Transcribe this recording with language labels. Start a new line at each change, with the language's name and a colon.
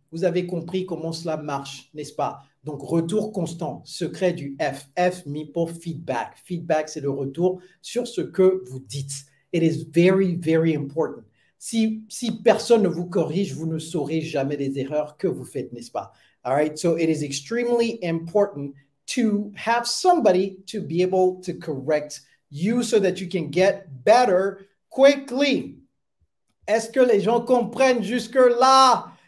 French: Vous avez compris comment cela marche, n'est-ce pas? Donc, retour constant, secret du F. F, mis pour feedback. Feedback, c'est le retour sur ce que vous dites.
English: It is very, very important.
French: Si personne ne vous corrige, vous ne saurez jamais les erreurs que vous faites, n'est-ce pas?
English: All right, so it is extremely important to have somebody to be able to correct you so that you can get better quickly.
French: Est-ce que les gens comprennent jusque-là?